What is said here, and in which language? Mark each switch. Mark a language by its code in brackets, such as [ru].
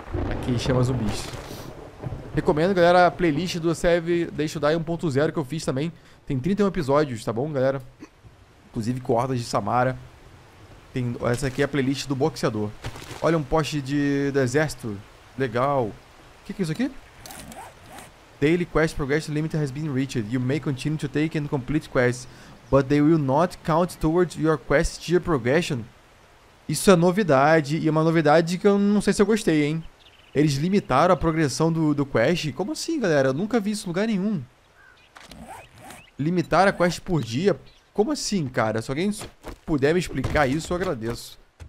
[pt] Aqui chama zumbis. Recomendo, galera, a playlist do Save Day to Die 1.0 que eu fiz também. Tem 31 episódios, tá bom, galera? Inclusive com hordas de Samara. Tem, essa aqui é a playlist do boxeador. Olha um poste de exército. Legal. Que é isso aqui? [en] Daily quest progress limit has been reached. You may continue to take and complete quests, but they will not count towards your quest tier progression. [pt] Isso é novidade, e é uma novidade que eu não sei se eu gostei, hein? Eles limitaram a progressão do quest? Como assim, galera? Eu nunca vi isso em lugar nenhum. Limitar a quest por dia? Como assim, cara? Se alguém puder me explicar isso, eu agradeço.